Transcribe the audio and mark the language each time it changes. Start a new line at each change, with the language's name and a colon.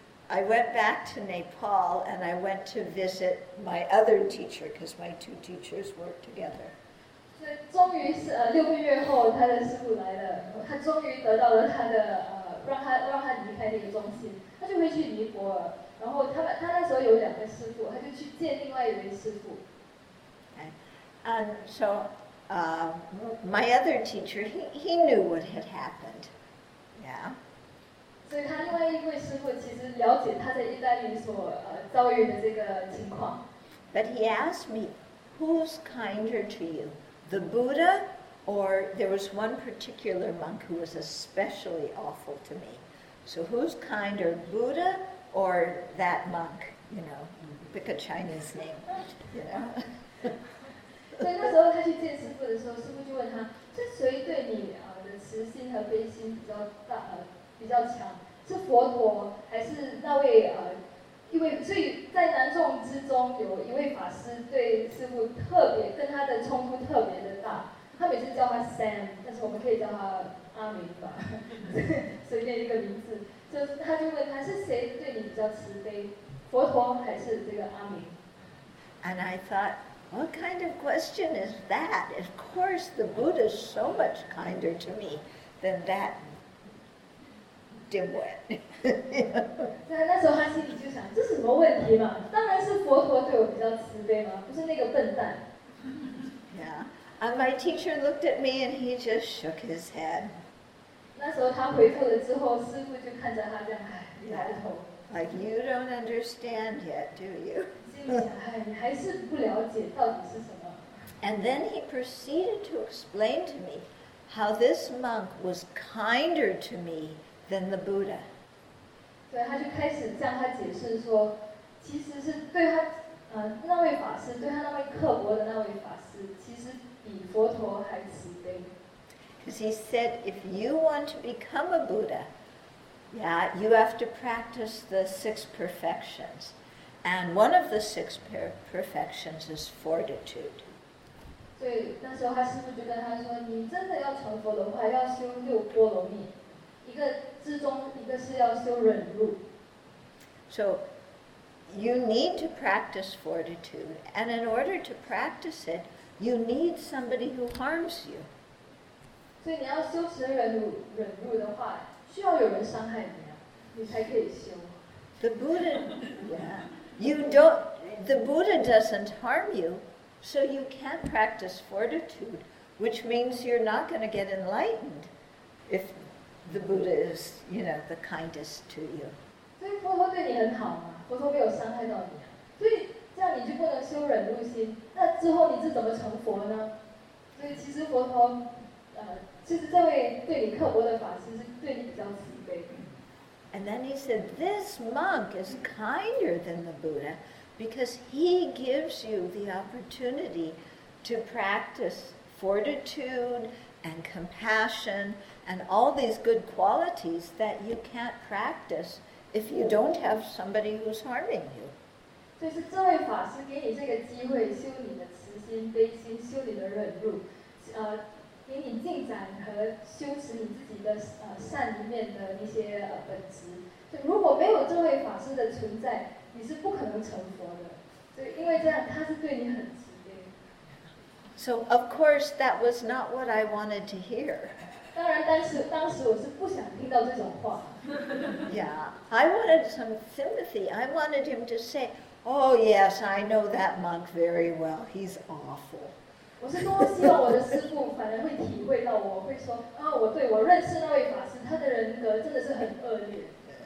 English: I went back to Nepal and I went to visit my other teacher because my two teachers worked together.
Chinese: 终于是六个月后，他的师傅来了，他终于得到了他的让他离开那个中心，他就回去尼泊尔。然后他那时候有两个师傅，他就去见另外一位师傅。
English: And so, my other teacher, he knew what had happened. Yeah.
Chinese: 所以他另外一位师傅其实了解他在意大利所遭遇的这个情况。
English: But he asked me, who's kinder to you? The Buddha, or there was one particular monk who was especially awful to me. So who's kinder, Buddha or that monk? You know, pick a Chinese name.
Chinese: So 那时候他去见师父的时候，师父就问他，是谁对你的慈心和悲心比较大比较强？是佛陀还是那位因为所以在南众之中有一位法师对师父特别跟他的冲突特别的大，他每次叫他 Sam， 但是我们可以叫他阿明吧，随便一个名字。就是他就问他是谁对你比较慈悲，佛陀还是这个阿明
English: ？And I thought, what kind of question is that? Of course, the Buddha is so much kinder to me than that.
Chinese: 对，那时候他心里就想，这是什么问题嘛？当然是佛陀对我比较慈悲嘛，不是那个笨蛋。
English: Yeah, and my teacher looked at me and he just shook his head.
Chinese: 那时候他回头了之后，师父就看着他这样，摇头。
English: Like you don't understand yet, do you?
Chinese: 心里想，哎，你还是不了解到底是什么。
English: And then he proceeded to explain to me how this monk was kinder to me. Than the Buddha.
Chinese: 对，他就开始向他解释说，其实是对他，那位法师，对他那位刻薄的那位法师，其实比佛陀还慈悲。
English: Because he said, if you want to become a Buddha, yeah, you have to practice the six perfections, and one of the six perfections is fortitude.
Chinese: 对，那时候他师父就跟他说，你真的要成佛的话，要修六波罗蜜。
English: So, you need to practice fortitude, and in order to practice it, you need somebody who harms you. So, if you want to practice fortitude, you need somebody who harms you. The Buddha, yeah, you don't. The Buddha doesn't harm you, so you can't practice fortitude, which means you're not going to get enlightened if. The Buddha is, you know, the kindest to you.
Chinese: So, 佛陀对你很好嘛？佛陀没有伤害到你啊。所以这样你就不能修忍辱心。那之后你是怎么成佛呢？所以其实佛陀，其实这位对你刻薄的法师是对你比较慈悲。
English: And then he said, "This monk is kinder than the Buddha because he gives you the opportunity to practice fortitude and compassion." And all these good qualities that you can't practice if you don't have somebody who's harming you.
Chinese: 就是这位法师给你这个机会修你的慈心、悲心，修你的忍辱，给你进展和修持你自己的善一面的那些本质。就如果没有这位法师的存在，你是不可能成佛的。就因为这样，他是对你很慈悲。
English: So of course that was not what I wanted to hear.
Chinese: 当然，当时我是不想听到这种话。
English: Yeah, I wanted some sympathy. I wanted him to say. Oh yes, I know that monk very well. He's awful.
Chinese: 我是多希望我的师父反而会体会到我会说啊，我对我认识那位法师，他的人格真的是很恶劣。